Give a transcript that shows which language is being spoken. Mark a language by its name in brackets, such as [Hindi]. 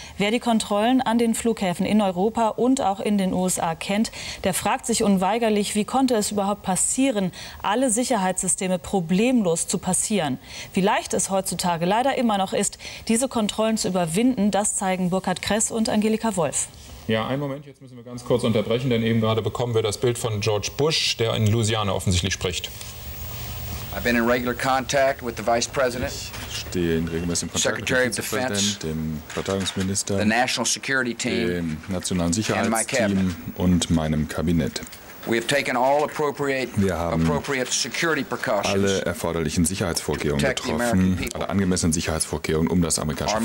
[German] Wer die Kontrollen an den Flughäfen in Europa und auch in den USA kennt, der fragt sich unweigerlich, wie konnte es überhaupt passieren, alle Sicherheitssysteme problemlos zu passieren. Wie leicht es heutzutage leider immer noch ist, diese Kontrollen zu überwinden, das zeigen Burkhard Kress und Angelika Wolf. Ja, einen Moment, jetzt müssen wir ganz kurz unterbrechen, denn eben gerade bekommen wir das Bild von George Bush, der in Louisiana offensichtlich spricht. [English] I've been in regular contact with the Vice President, [German] ich stehe in regelmäßigem Kontakt Secretary mit dem Vizepräsidenten, dem Verteidigungsminister, [English] the National Security Team, [German] dem nationalen Sicherheitsteam und meinem Kabinett. [English] We have taken all appropriate, [German] wir haben [English] appropriate security precautions, [German] alle erforderlichen Sicherheitsvorkehrungen getroffen, alle angemessenen Sicherheitsvorkehrungen, um das amerikanische